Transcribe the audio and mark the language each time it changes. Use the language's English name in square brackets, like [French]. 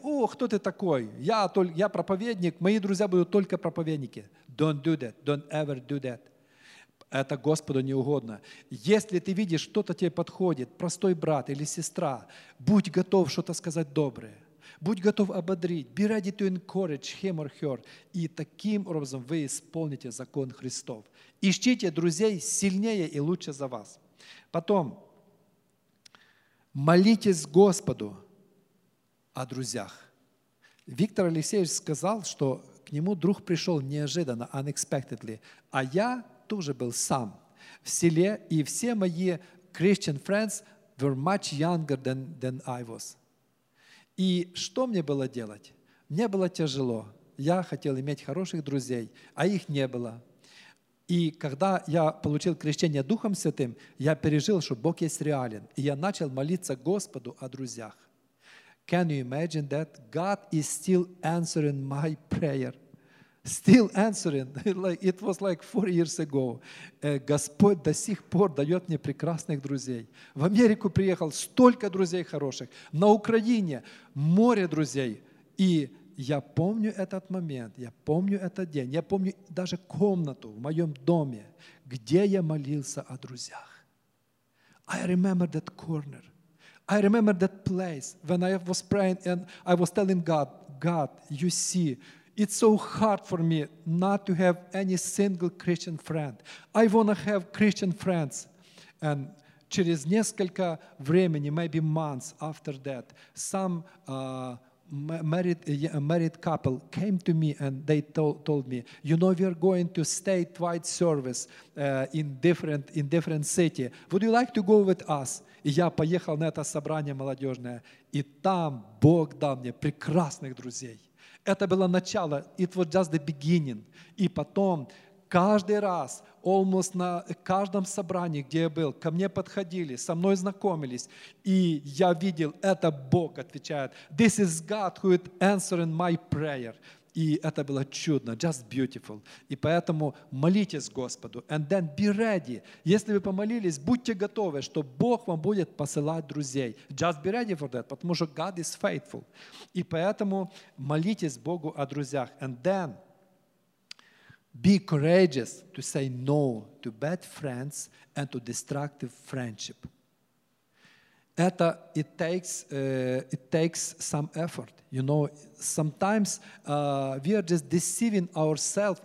[Russian] О, кто ты такой? Я проповедник, мои друзья будут только проповедники. [English] Don't do that. Don't ever do that. [Russian] Это Господу не угодно. Если ты видишь, что-то тебе подходит, простой брат или сестра, будь готов что-то сказать доброе. Будь готов ободрить. [English] Be ready to encourage him or her. [Russian] И таким образом вы исполните закон Христов. Ищите друзей сильнее и лучше за вас. Потом, молитесь Господу о друзьях. Виктор Алексеевич сказал, что к нему друг пришел неожиданно, [English] unexpectedly, [Russian] а я тоже был сам в селе, и все мои [English] Christian friends were much younger than I was. [Russian] И что мне было делать? Мне было тяжело. Я хотел иметь хороших друзей, а их не было. И когда я получил крещение Духом Святым, я пережил, что Бог есть реален. И я начал молиться Господу о друзьях. [English] Can you imagine that? God is still answering my prayer. Still answering. It was like 4 years ago. [Russian] Господь до сих пор дает мне прекрасных друзей. В Америку приехал столько друзей хороших. На Украине море друзей. И я помню этот момент, я помню этот день, я помню даже комнату в моем доме, где я молился о друзьях. [English] I remember that corner. I remember that place when I was praying and I was telling God, God, you see, it's so hard for me not to have any single Christian friend. I want to have Christian friends. And [Russian] через несколько времени, [English] maybe months after that, some married couple came to me and they told me, you know, we are going to statewide service in different city. Would you like to go with us? [Russian] И я поехал на это собрание молодежное, и там Бог дал мне прекрасных друзей. Это было начало, [English] it was just the beginning. [Russian] И потом каждый раз, [English] almost [Russian] на каждом собрании, где я был, ко мне подходили, со мной знакомились, и я видел, это Бог отвечает. [English] This is God who is answering my prayer. [Russian] И это было чудно, [English] just beautiful. [Russian] И поэтому молитесь Господу. [English] And then be ready. [Russian] Если вы помолились, будьте готовы, что Бог вам будет посылать друзей. [English] Just be ready for that, [Russian] потому что [English] God is faithful. [Russian] И поэтому молитесь Богу о друзьях. [English] And then be courageous to say no to bad friends and to destructive friendship. Это it takes some effort. You know, sometimes we are just deceiving ourselves.